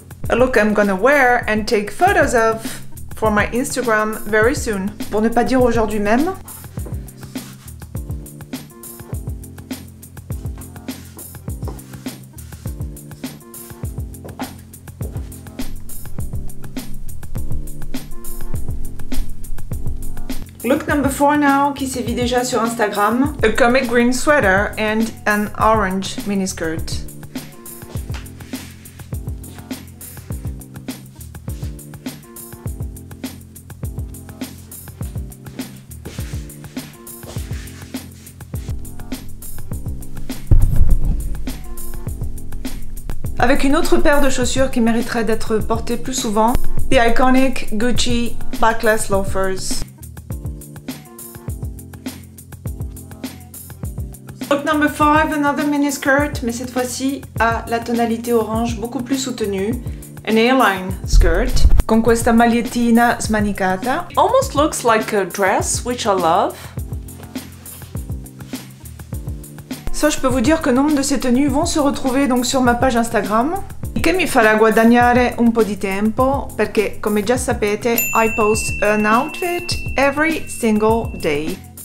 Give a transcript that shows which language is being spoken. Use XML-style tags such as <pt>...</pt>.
<en>A look I'm gonna wear and take photos of for my Instagram very soon.</en> <fr>Pour ne pas dire aujourd'hui même.</fr> <en>Look number 4 now,</en> <fr>qui s'est vu déjà sur Instagram.</fr> <en>A comic green sweater and an orange miniskirt.</en> <fr>Avec une autre paire de chaussures qui mériterait d'être portée plus souvent.</fr> <en>The iconic Gucci backless loafers. Look number 5, another miniskirt,</en> <fr>mais cette fois-ci à la tonalité orange beaucoup plus soutenue.</fr> <en>An A-line skirt.</en> <it>Con questa magliettina smanicata.</it> <en>Almost looks like a dress, which I love.</en> <fr>Ça, je peux vous dire que nombre de ces tenues vont se retrouver donc sur ma page Instagram.</fr> <it>E che mi farà guadagnare un po' di tempo, perché come già sapete,</it> <en>I post an outfit every single day.</en>